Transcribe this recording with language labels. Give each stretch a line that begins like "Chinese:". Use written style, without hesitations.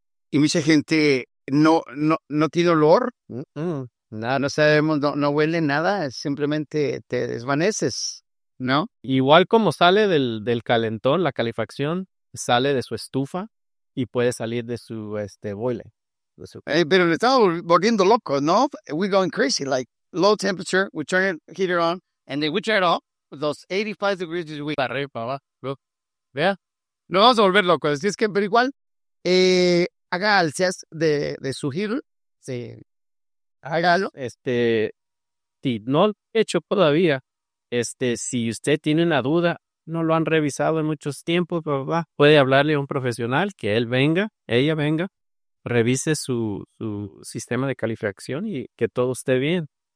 Spanish: Y mucha gente no tiene olor. Mm-mm, nada. No sabemos, no huele nada. Simplemente te desvaneces, ¿no? Igual como sale del calentón, la calefacción, sale de su estufa y puede salir de su boiler. Pero le estamos volviendo loco, ¿no?
English: We're going crazy. Like, low temperature, we turn the heater on, and then we turn it off. Those 85 degrees, we...
Spanish: Para arriba, para abajo. Vea. No vamos a volver locos, así es que, pero igual, haga alzas de su giro, sí, hágalo. Si no lo he hecho todavía, si usted tiene una duda, no lo han revisado en muchos tiempos, puede hablarle a un profesional, que él venga, ella venga, revise su sistema de calefacción y que todo esté bien.